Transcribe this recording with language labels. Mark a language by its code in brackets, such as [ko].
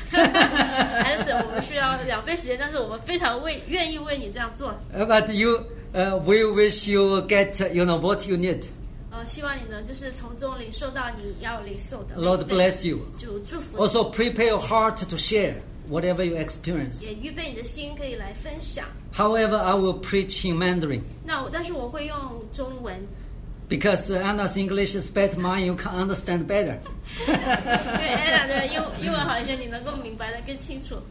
[zh] Alistair, 我们需要两倍时间，但是我们非常愿意为你这样做。 [en] But you, we wish you get, you know, what you need. [zh] 希望你能就是从中领受到你要领受的。 [en] Lord bless you. [zh] 就祝福。 [en] Also prepare your heart to share whatever you experience. [zh] 也预备你的心可以来分享。 [en] However, I will preach in Mandarin. [zh] 那但是我会用中文。 [en] Because Anna's English is better, mine you can understand better. [zh] 因为 Anna 的英文好一些，你能够明白的更清楚。